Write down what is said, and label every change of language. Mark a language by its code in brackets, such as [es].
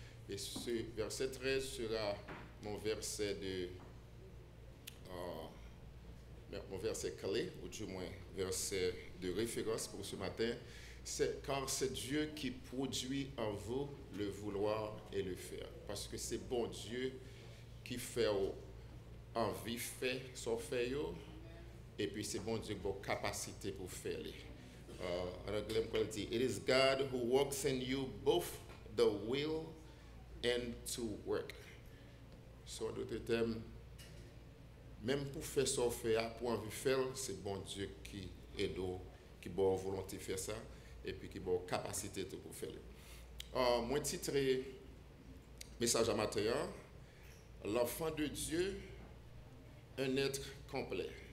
[fr] Et ce verset 13 sera mon verset de mon verset clé, ou du moins verset de référence pour ce matin. Car c'est Dieu qui produit en vous le vouloir et le faire. Parce que c'est bon Dieu qui fait envie, fait son fait. Et puis c'est bon Dieu qui a une capacité pour faire. En anglais, on dit, [en] it is God who works in you both the will and to work. [fr] So, en d'autres termes, même pour faire ce qu'on fait, pour en faire, c'est bon Dieu qui aide, qui a une volonté de faire ça, et puis qui a une capacité pour faire. Mon titre message à matin, l'enfant de Dieu, un être complet.